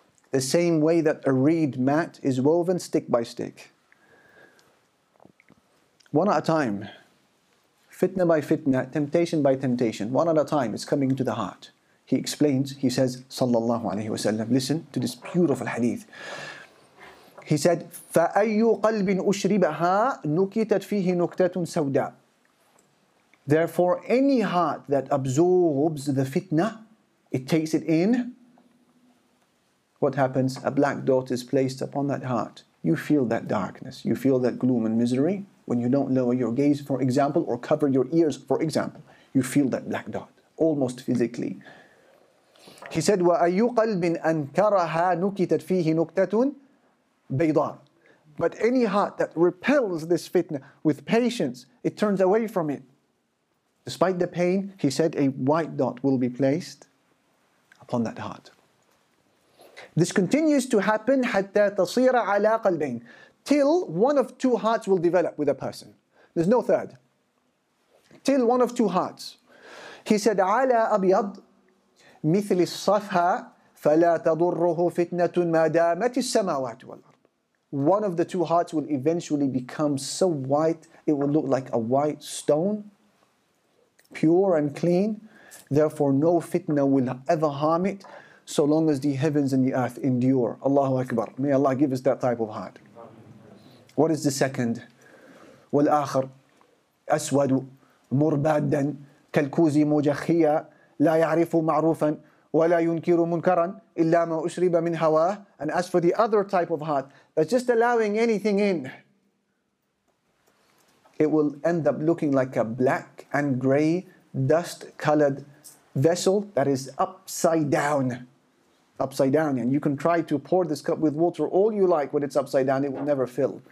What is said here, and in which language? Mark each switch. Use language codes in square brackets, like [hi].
[en] The same way that a reed mat is woven stick by stick. One at a time. Fitna by fitna, temptation by temptation, one at a time, it's coming to the heart. He explains, he says, sallallahu alayhi wa sallam, listen to this beautiful hadith. He said, [ar] فَأَيُّ قَلْبٍ أُشْرِبَهَا نُكِتَتْ فِيهِ نُكْتَةٌ سَوْدَى. [en] Therefore, any heart that absorbs the fitna, it takes it in. What happens? A black dot is placed upon that heart. You feel that darkness. You feel that gloom and misery. When you don't lower your gaze, for example, or cover your ears, for example, you feel that black dot, almost physically. He said, [ar] وَأَيُّ قَلْبٍ أَنْكَرَهَا نُكِتَتْ فِيهِ نُكْتَةٌ بَيْضَى. [en] But any heart that repels this fitna with patience, it turns away from it. Despite the pain, he said, a white dot will be placed upon that heart. This continues to happen [ar] حَتَّى تَصِيرَ عَلَىٰ قَلْبَيْنِ, [en] till one of two hearts will develop with a person. There's no third. Till one of two hearts. He said, [ar] عَلَىٰ أَبْيَضْ مِثْلِ الصَّفْهَا فَلَا تَضُرُّهُ فِتْنَةٌ مَا دَامَتِ السَّمَاوَاتُ وَالْأَرْضُ. [en] One of the two hearts will eventually become so white, it will look like a white stone, pure and clean. Therefore, no fitna will ever harm it, so long as the heavens and the earth endure. Allahu Akbar. May Allah give us that type of heart. What is the second? [ar] والآخر أسود مربادا كالكوز مجخيا لا يعرف معروفا ولا ينكر منكرا إلا ما أشرب من هواه. [en] And as for the other type of heart, that's just allowing anything in, it will end up looking like a black and grey dust-coloured vessel that is upside down. Upside down. And you can try to pour this cup with water all you like, when it's upside down, it will never fill.